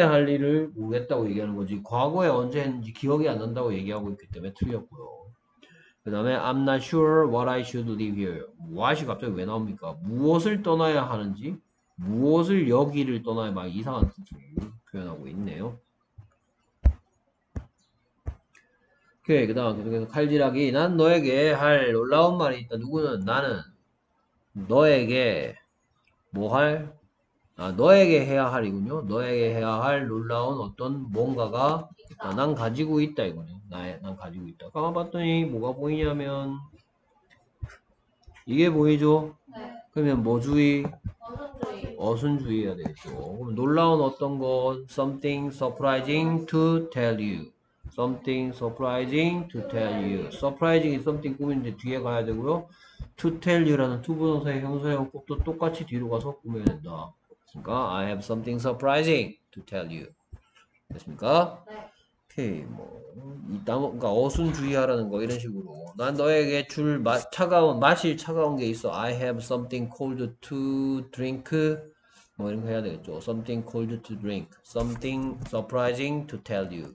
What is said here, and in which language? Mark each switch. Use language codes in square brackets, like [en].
[ko] 할 일을 모르겠다고 얘기하는 거지 과거에 언제 했는지 기억이 안 난다고 얘기하고 있기 때문에 틀렸고요. 그 다음에 [en] I'm not sure what I should leave here. [ko] what이 갑자기 왜 나옵니까? 무엇을 떠나야 하는지 무엇을 여기를 떠나야 막 이상한 뜻을 표현하고 있네요. 오케이. 그 다음 계속해서 칼질하기. 난 너에게 할 놀라운 말이 있다. 누구는? 나는 너에게 뭐 할? 아, 너에게 해야 할 이군요. 너에게 해야 할 놀라운 어떤 뭔가가 아, 난 가지고 있다 이군요. 난 가지고 있다. 까봤더니 뭐가 보이냐면 이게 보이죠? 네. 그러면 뭐 주의? 어순주의 해야 되겠죠. 그럼 놀라운 어떤 거 [en] something surprising to tell you. Something surprising to tell you. Surprising is something [ko] 꾸미는데 뒤에 가야 되고요. To tell you라는 to 부정사의 형사형 꼭도 똑같이 뒤로 가서 꾸며야 된다. 그러니까 [en] I have something surprising to tell you. [ko] 됐습니까? 네. 오케이. 뭐 그러니까 어순주의하라는 거 이런 식으로. 난 너에게 줄 차가운 마실 차가운 게 있어. [en] I have something cold to drink. [ko] 뭐 이런 거 해야 되겠죠. [en] Something cold to drink. Something surprising to tell you.